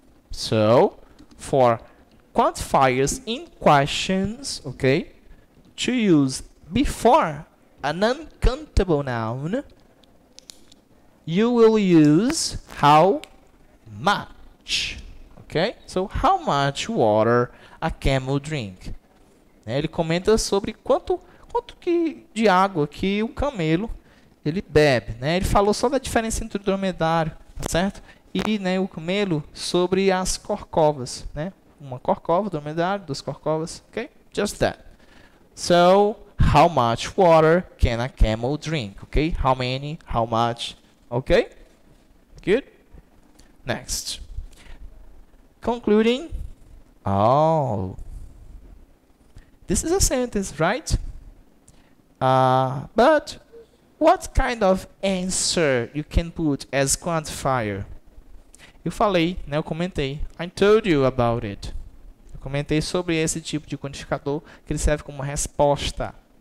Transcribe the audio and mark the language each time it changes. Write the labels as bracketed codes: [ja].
[en] So, for quantifiers in questions, okay, to use before an uncountable noun, you will use how much. Okay? So, how much water a camel drink? Né? [pt] Ele comenta sobre quanto que de água que um camelo ele bebe. Né? Ele falou só da diferença entre o dromedário, tá certo? E né, o camelo sobre as corcovas. Né? Uma corcova, dromedário, duas corcovas. Okay? [en] Just that. So, how much water can a camel drink? Okay? How many? How much? Okay? Good? Next. Concluding. Oh. This is a sentence, right? But what kind of answer you can put as quantifier? [pt] Eu falei, né? Eu comentei. [en] I told you about it. [pt] Eu comentei sobre esse tipo de quantificador que ele serve como resposta.